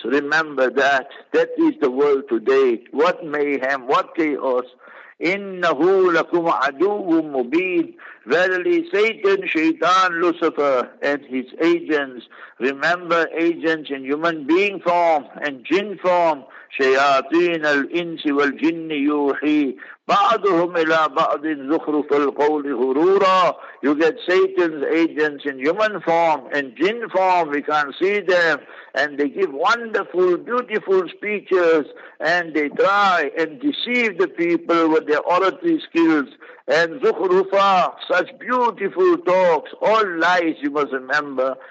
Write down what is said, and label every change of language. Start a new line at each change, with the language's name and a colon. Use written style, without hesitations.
English: Remember that. That is the world today. What mayhem, what chaos.
Arabic: إِنَّهُ لَكُمْ عَدُوٌ مُبِينٌ.
English: Verily, Satan, Shaitan, Lucifer, and his agents. Remember, agents in human being form and jinn form.
Arabic: شياطين الإنس والجن يوحي بعضهم إلى بعض زخرف القول غرورا.
English: You get Satan's agents in human form and jinn form, we can't see them, and they give wonderful, beautiful speeches, and they try and deceive the people with their oratory skills. And Zukhrufa, such beautiful talks, all lies, you must remember.